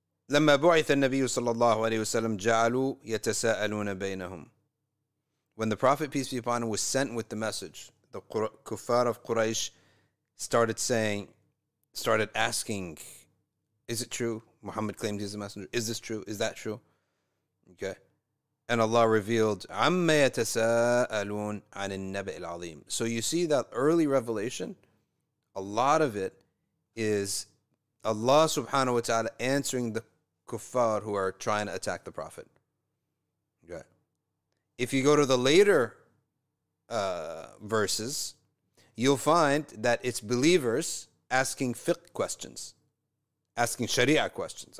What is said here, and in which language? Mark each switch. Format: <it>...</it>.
<ar>لَمَّا بُعِثَ النَّبِيُّ صَلَّى اللَّهُ عَلَيْهِ وَسَلَّمْ جَعَلُوا يَتَسَاءَلُونَ بَيْنَهُمْ.</ar> <en>When the Prophet, peace be upon him, was sent with the message, the kuffar of Quraysh started asking, is it true? Muhammad claimed he's the messenger. Is this true? Is that true? Okay. And Allah revealed,</en> <ar>عَمَّ يَتَسَاءَلُونَ عَنِ النَّبِئِ الْعَظِيمِ.</ar> <en>So you see that early revelation, a lot of it is Allah subhanahu wa ta'ala answering the kuffar who are trying to attack the Prophet. If you go to the later verses, you'll find that it's believers asking fiqh questions, asking sharia questions.</en>